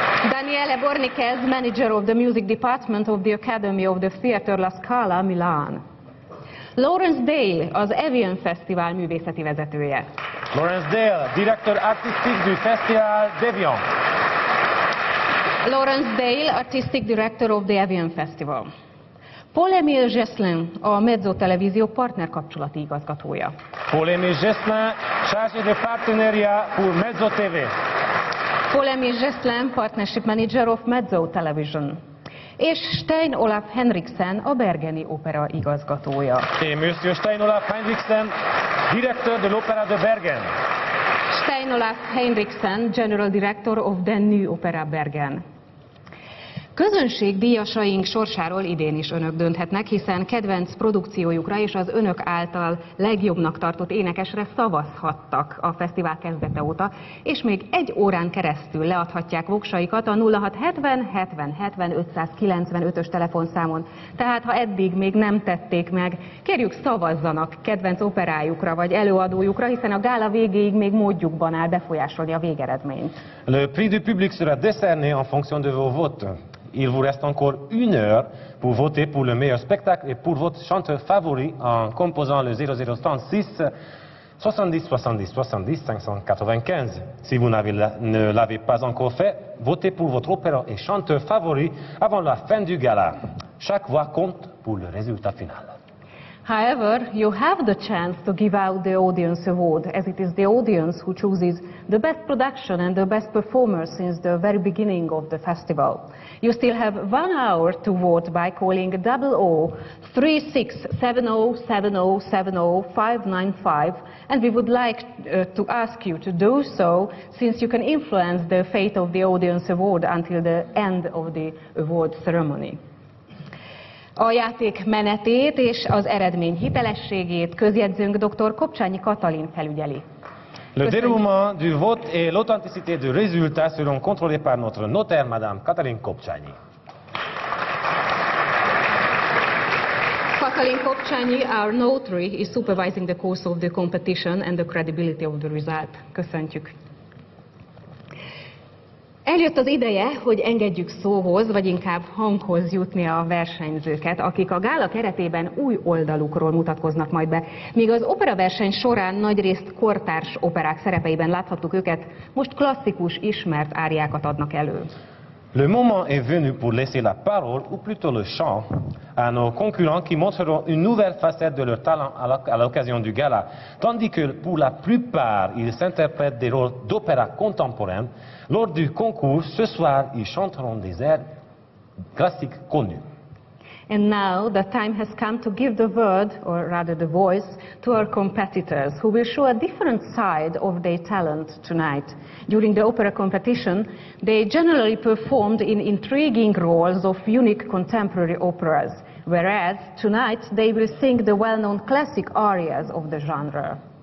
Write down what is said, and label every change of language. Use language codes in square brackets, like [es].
[en] Daniele Borniquez, manager of the music department of the Academy of the Theatre La Scala Milan. [hu] Lawrence Dale, az Evian Festival művészeti vezetője. [fr] Lawrence Dale, director artistic du Festival d'Evian. [en] Lawrence Dale, artistic director of the Evian Festival. [hu] Paul-Emile Jesselin, a Mezzo Televízió partnerkapcsolati igazgatója. [fr] Paul-Emile Jesselin, chargé de partenariat pour Mezzo TV. [en] Paul-Emile Jesselin, partnership manager of Mezzo Television. [hu] És Stein Olaf Henriksen, a Bergeni Opera igazgatója. [fr] Et Monsieur Stein Olaf Henriksen, directeur de l'Opéra de Bergen. [en] Stein Olaf Henriksen, general director of the new Opera Bergen. [hu] Közönség díjasaink sorsáról idén is önök dönthetnek, hiszen kedvenc produkciójukra és az önök által legjobbnak tartott énekesre szavazhattak a fesztivál kezdete óta, és még egy órán keresztül leadhatják voksaikat a 0670 70 70 595-ös telefonszámon. Tehát, ha eddig még nem tették meg, kérjük szavazzanak kedvenc operájukra vagy előadójukra, hiszen a gála végéig még módjukban áll befolyásolni a végeredményt. [fr] Le prix du public sera décerné en fonction de vos votes. Il vous reste encore une heure pour voter pour le meilleur spectacle et pour votre chanteur favori en composant le 0036 70 70 70 595. Si vous ne l'avez pas encore fait, votez pour votre opéra et chanteur favori avant la fin du gala. Chaque voix compte pour le résultat final. [en] However, you have the chance to give out the audience award, as it is the audience who chooses the best production and the best performer since the very beginning of the festival. You still have 1 hour to vote by calling 00-36-70-70-70-595, and we would like to ask you to do so, since you can influence the fate of the audience award until the end of the award ceremony. [hu] A játék menetét és az eredmény hitelességét közjegyzőnk dr. Kopcsányi Katalin felügyeli. [fr] Le déroulement du vote et l'authenticité du résultat seront contrôlés par notre notaire, madame Katalin Kopcsányi. [en] Katalin Kopcsányi, our notary, is supervising the course of the competition and the credibility of the result. [hu] Köszöntjük. Eljött az ideje, hogy engedjük szóhoz, vagy inkább hanghoz jutni a versenyzőket, akik a gála keretében új oldalukról mutatkoznak majd be. Míg az operaverseny során nagyrészt kortárs operák szerepeiben láthattuk őket, most klasszikus, ismert áriákat adnak elő. [fr] Le moment est venu pour laisser la parole, ou plutôt le chant, à nos concurrents qui montreront une nouvelle facette de leur talent à l'occasion du gala. Tandis que pour la plupart, ils s'interprètent des rôles d'opéra contemporain, lors du concours, ce soir, ils chanteront des airs classiques connus. [en] And now the time has come to give the word, or rather the voice, to our competitors, who will show a different side of their talent tonight. During the opera competition, they generally performed in intriguing roles of unique contemporary operas, whereas tonight they will sing the well-known classic arias of the genre.